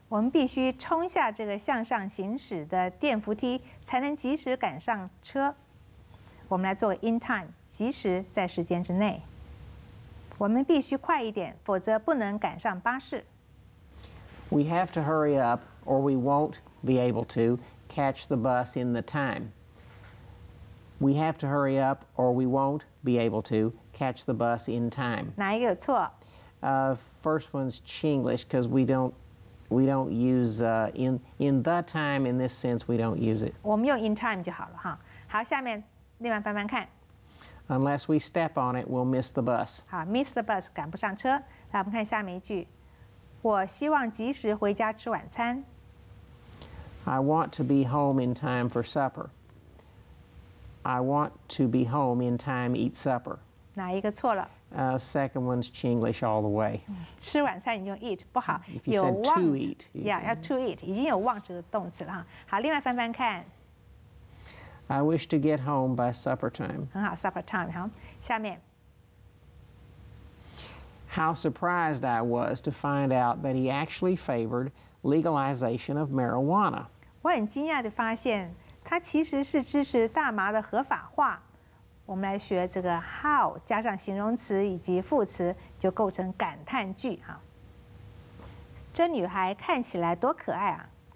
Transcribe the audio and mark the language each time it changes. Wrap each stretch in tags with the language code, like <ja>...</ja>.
<zh>我们必须冲下这个向上行驶的电扶梯，才能及时赶上车。我们来做</zh> <en>in time，</en> <zh>及时在时间之内。我们必须快一点，否则不能赶上巴士。</zh> <en>We have to hurry up, or we won't be able to catch the bus in the time. We have to hurry up, or we won't be able to catch the bus in time.</en> <zh>哪一个有错？</zh> <en>First one's Chinglish, because we don't use in the time in this sense. We don't use it.</en> <zh>我们用</zh> <en>in time</en> <zh>就好了哈。好，下面另外翻翻看。</zh> <en>Unless we step on it, we'll miss the bus.</en> <zh>好 ，</zh> <en>miss the bus，</en> <zh>赶不上车。来，我们看下面一句。我希望及时回家吃晚餐。</zh> <en>I want to be home in time for supper. I want to be home in time eat supper.</en> <zh>哪一个错了？</zh> <en>Second one's Chinglish all the way.</en> <zh>吃晚餐你就 eat 不好。</zh> <en>If you said to eat,</en> <zh>yeah, 要</zh> <en>to eat</en> <zh>已经有忘这个动词了哈。好，另外翻翻看。</zh> <en>I wish to get home by supper time.</en> <zh>很好 ，</zh> <en>supper time</en> <zh>好。下面。</zh> <en>How surprised I was to find out that he actually favored legalization of marijuana.</en> <zh>我很惊讶地发现他其实是支持大麻的合法化。我们来学这个 how 加上形容词以及副词就构成感叹句哈。这女孩看起来多可爱啊</zh>